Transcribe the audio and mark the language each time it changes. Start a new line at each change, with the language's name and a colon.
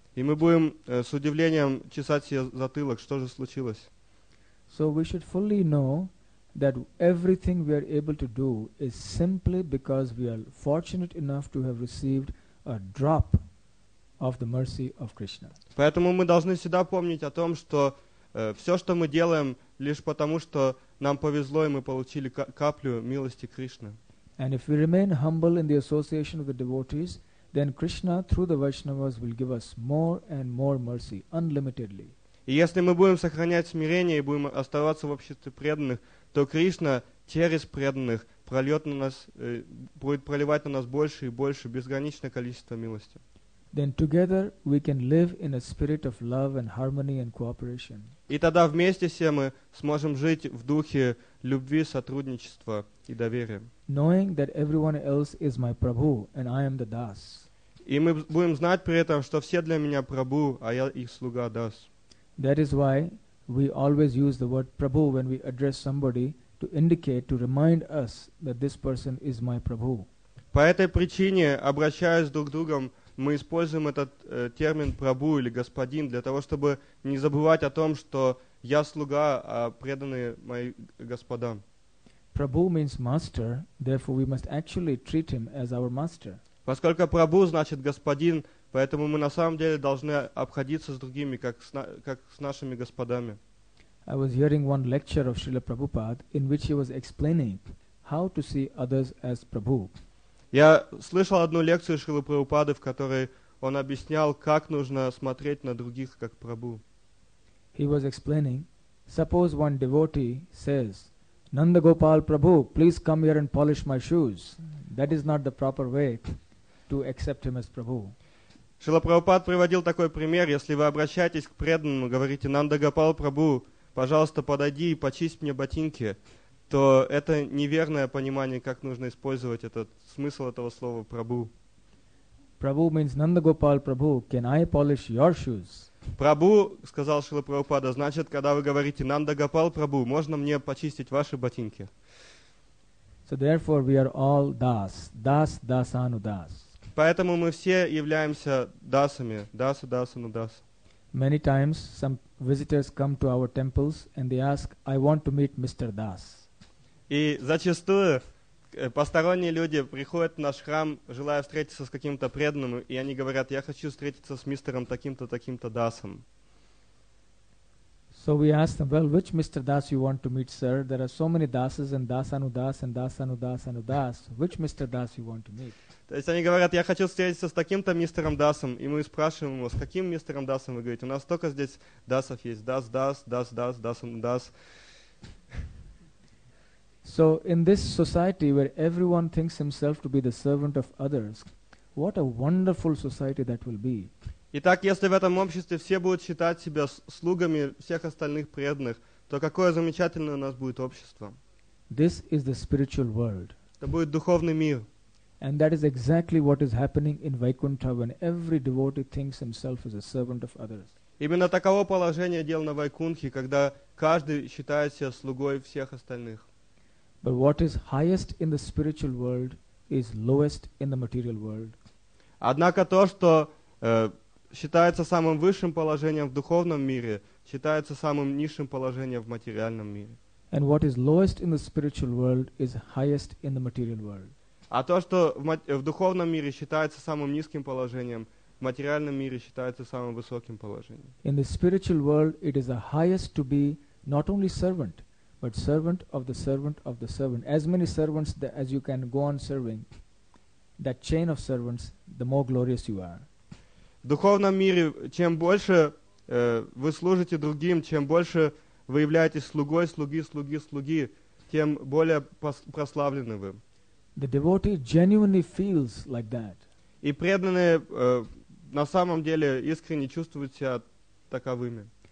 Russian: И мы будем с удивлением чесать себе затылок, что же случилось.
English: So we should fully know that everything we are able to do is simply because we are fortunate enough to have received a drop of the mercy of Krishna.
Russian: Поэтому мы должны всегда помнить о том, что все, что мы делаем, лишь потому, что нам повезло и мы получили каплю милости Кришны.
English: And if we remain humble in the association of the devotees, then Krishna, through the Vaishnavas, will give us more and more mercy, unlimitedly.
Russian: И если мы будем сохранять смирение и будем оставаться в обществе преданных, то Кришна через преданных прольет на нас, будет проливать на нас больше и больше, безграничное количество милости.
English: Then together we can live in a spirit of love and harmony and cooperation.
Russian: И тогда вместе все мы сможем жить в духе любви, сотрудничества и доверия.
English: Knowing that everyone else is my Prabhu and I am the Das.
Russian: И мы будем знать при этом, что все для меня Прабху, а я их слуга Das.
English: That is why we always use the word Prabhu when we address somebody to indicate, to remind us that this person is my Prabhu.
Russian: По этой причине, обращаясь друг к другу, мы используем этот термин «прабу» или «господин» для того, чтобы не забывать о том, что я слуга, а преданные мои господа.
English: Prabhu means master, therefore we must actually treat him as our master.
Russian: Поскольку «прабу» значит «господин», поэтому мы на самом деле должны обходиться с другими, как с нашими господами.
English: I was hearing one lecture of Srila Prabhupada, in which he was explaining how to see others as Prabhu.
Russian: Я слышал одну лекцию Шрилы Прабхупады, в которой он объяснял, как нужно смотреть на других как Прабху.
English: He was explaining, suppose one devotee says, Nanda Gopal Prabhu, please come here and polish my shoes. That is not the proper way to accept him as Prabhu.
Russian: Шрила Прабхупад приводил такой пример, если вы обращаетесь к преданному, говорите, Нанда Гопал Прабху, пожалуйста, подойди и почисть мне ботинки, то это неверное понимание, как нужно использовать этот смысл этого слова «прабу».
English: Prabhu means Nanda Gopal Prabhu. Can I polish your shoes?
Russian: Прабу, сказал Шрила Прабхупада, значит, когда вы говорите Нанда Гопал Прабу, можно мне почистить ваши ботинки?
English: So therefore we are all das, das, dasanu das.
Russian: Поэтому мы все являемся дасами, даса, дасану дас.
English: Many times some visitors come to our temples and they ask, I want to meet Mr. Das.
Russian: И зачастую посторонние люди приходят в наш храм, желая встретиться с каким-то преданным, и они говорят, я хочу встретиться с мистером таким-то, таким-то Дасом.
English: So we ask them, well, which Mr. Das you want to meet, sir? There are so many Dasas and Dasanu Das and Dasanu Dasanu Das. Which Mr. Das you want to meet?
Russian: То есть они говорят, я хочу встретиться с таким-то мистером Дасом, и мы спрашиваем его, с каким мистером Дасом? Вы говорите, у нас столько здесь Дасов есть. Дас, Дас, Дас, Дас, Дасанудас. Дас.
English: So in this society where everyone thinks himself to be the servant of others, what a wonderful society that will be.
Russian: Итак, если в этом обществе все будут считать себя слугами всех остальных преданных, то какое замечательное у нас будет общество.
English: This is the spiritual world.
Russian: Это будет духовный мир.
English: And that is exactly what is happening in Vaikuntha when every devotee thinks himself as a servant of others.
Russian: Именно таково положение дел на Вайкунхе, когда каждый считает себя слугой всех остальных.
English: But what is highest in the spiritual world is lowest in the material world.
Russian: Однако то, что считается самым высшим положением в духовном мире, считается самым низшим положением в материальном мире.
English: And what is lowest in the spiritual world is highest in the material world.
Russian: А то, что в духовном мире считается самым низким положением, в материальном мире считается самым высоким положением.
English: In the spiritual world, it is the highest to be not only servant, but servant of the servant of the servant. As many servants that as you can go on serving, that chain of servants, the more glorious you are.
Russian: В духовном мире, чем больше вы служите другим, чем больше вы являетесь слугой, слуги, слуги, слуги, тем более прославлены вы.
English: The devotee genuinely feels like that.
Russian: И преданные на самом деле искренне чувствуют себя таковыми.